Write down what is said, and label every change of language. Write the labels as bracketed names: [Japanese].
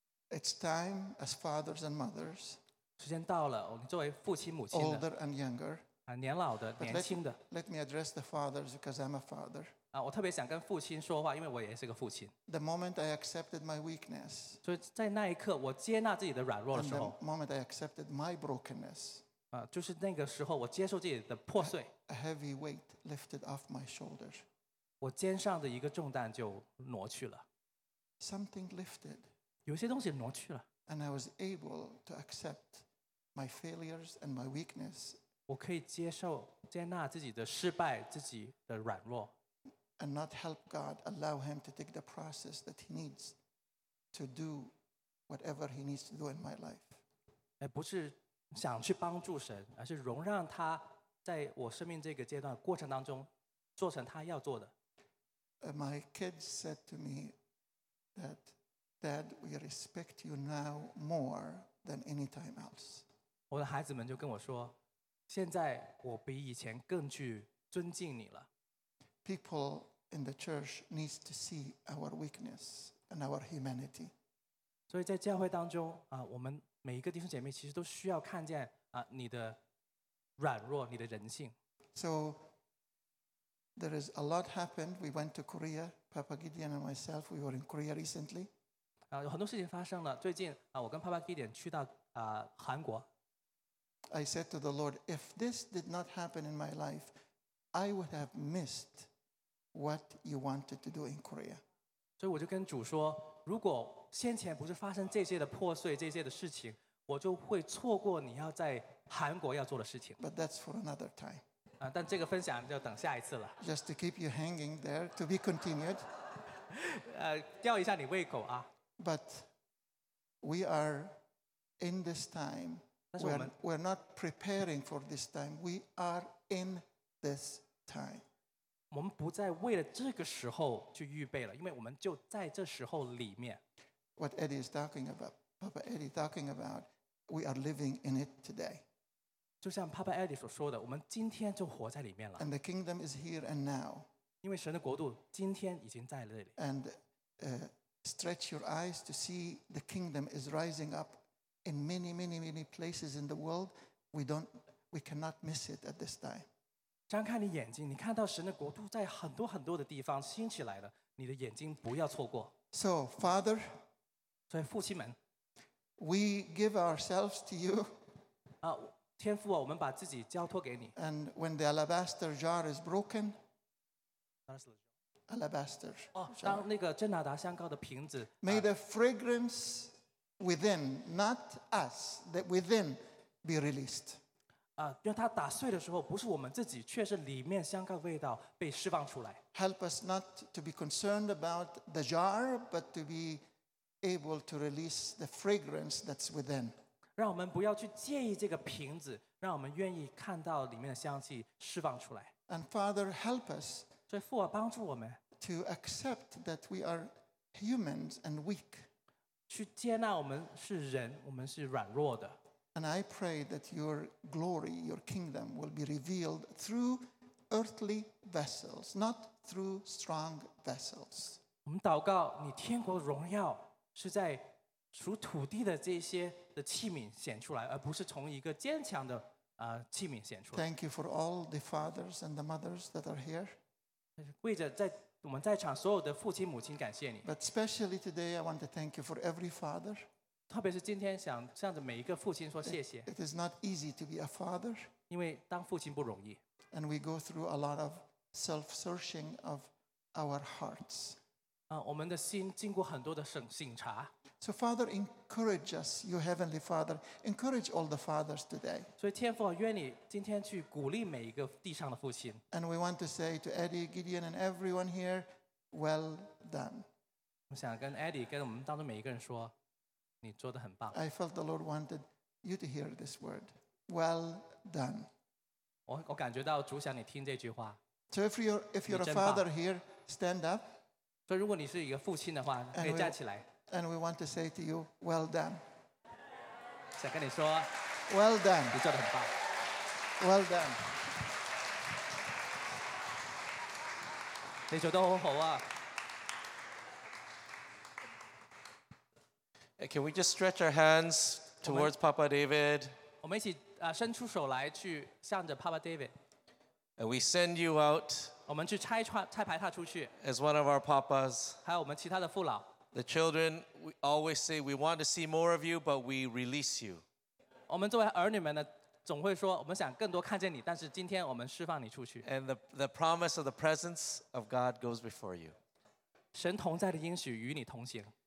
[English] It's time as fathers and mothers, [Chinese] 时间到了，你作为父亲母亲的 [English] older and younger, [Chinese] 年老的年轻的 [English] let me address the fathers because I'm a father. [Chinese] 我特别想跟父亲说话，因为我也是个父亲。 [English] The moment I accepted my weakness, [Chinese] 所以在那一刻我接纳自己的软弱的时候 [English] the moment I accepted my brokenness, [Chinese] 就是那个时候我接受自己的破碎 [English] a heavy weight lifted off my shoulders, [Chinese] 我肩上的一个重担就挪去了 [English] something lifted. [Chinese] 有些东西挪去了 [English] and I was able to accept my failures and my weakness. [Chinese] 我可以接受接纳自己的失败，自己的软弱 [English] and not help God allow him to take the process that he needs to do whatever he needs to do in my life. [Chinese] 不是想去帮助神，而是容让他在我生命这个阶段过程当中做成他要做的 [English] My kids said to me that. Dad, we respect you now more than any time else. [Chinese] 我的孩子们就跟我说，现在我比以前更去尊敬你了。 [English] People in the church needs to see our weakness and our humanity. [Chinese] 所以在教会当中我们每一个弟兄姐妹其实都需要看见你的软弱，你的人性。 [English] So there is a lot happened. We went to Korea. Papa Gideon and myself, we were in Korea recently. [Chinese] 有很多事情发生了。最近我跟 Papa Gideon 去到韩国。 [English] I said to the Lord, if this did not happen in my life, I would have missed what you wanted to do in Korea. [Chinese] 所以我就跟主说，如果先前不是发生这些的破碎、这些的事情，我就会错过你要在韩国要做的事情。 [English] But that's for another time. [Chinese] 但这个分享就等下一次了。 [English] Just to keep you hanging there, to be continued. [Chinese] 吊一下你胃口啊。 [English] But we are in this time. We're not preparing for this time. We are in this time. [Chinese] 我们不再为了这个时候去预备了，因为我们就在这时候里面。 [English] What Eddie is talking about, Papa Eddie talking about, we are living in it today. [Chinese] 就像 Papa Eddie 所说的，我们今天就活在里面了。 [English] And the kingdom is here and now. [Chinese] 因为神的国度今天已经在这里。 [English] And Stretch your eyes to see the kingdom is rising up in many, many, many places in the world. We cannot miss it at this time. [Chinese] 张开你眼睛，你看到神的国度在很多很多的地方兴起来了。你的眼睛不要错过。 [English] So, Father, [Chinese] 所以父亲们 [English] we give ourselves to you. [Chinese] 天父啊，我们把自己交托给你。 [English] And when the alabaster jar is broken, alabaster. [Chinese] Oh, 当那个真拿达香膏的瓶子。 [English] May the fragrance within, not us, that within, be released. [Chinese] 啊，让它打碎的时候，不是我们自己，却是里面香膏味道被释放出来。 [English] Help us not to be concerned about the jar, but to be able to release the fragrance that's within. [Chinese] 让我们不要去介意这个瓶子，让我们愿意看到里面的香气释放出来。 [English] And Father, help us. [Chinese] 所以父啊，帮助我们。 [English] To accept that we are humans and weak. [Chinese] 去接纳我们是人，我们是软弱的。 [English] And I pray that your glory, your kingdom, will be revealed through earthly vessels, not through strong vessels. [Chinese] 我们祷告，你天国荣耀是在属土地的这些的器皿显出来，而不是从一个坚强的器皿显出来。 [English] Thank you for all the fathers and the mothers that are here. [Chinese] 跪着在我们在场所有的父亲母亲感谢你。 [English] But especially today, I want to thank you for every father. [Chinese] 特别是今天想向着每一个父亲说谢谢。 [English] It is not easy to be a father. [Chinese] 因为当父亲不容易。 [English] And we go through a lot of self-searching of our hearts. [Chinese] 我们的心经过很多的省察。 [English] So Father, encourage us, your Heavenly Father, encourage all the fathers today. [Chinese] 所以天父，愿你今天去鼓励每一个地上的父亲。 [English] And we want to say to Eddie, Gideon, and everyone here, well done. [Chinese] 我想跟 Eddie, 跟我们当中每一个人说，你做得很棒。 [English] I felt the Lord wanted you to hear this word, well done. [Chinese] 我感觉到主想你听这句话。 [English] So if you're a father here, stand up. [Chinese] 所以如果你是一个父亲的话，可以站起来。 [English] And we want to say to you, well done. [Chinese] 想跟你说, [English] well done. [Chinese] 你做得很棒。 [English] Well done. [Chinese] 你做得很好啊。 [English] Can we just stretch our hands towards Papa David? [Chinese] 我们一起伸出手来去向着 Papa David。 [English] And we send you out. [Chinese] 我们去拆排他出去。 [English] As one of our papas. [Chinese] 还有我们其他的父老。 [English] The children, we always say, we want to see more of you, but we release you. [Chinese] 我们作为儿女们呢，总会说，我们想更多看见你，但是今天我们释放你出去。 [English] And the promise of the presence of God goes before you. [Chinese] 神同在的应许与你同行。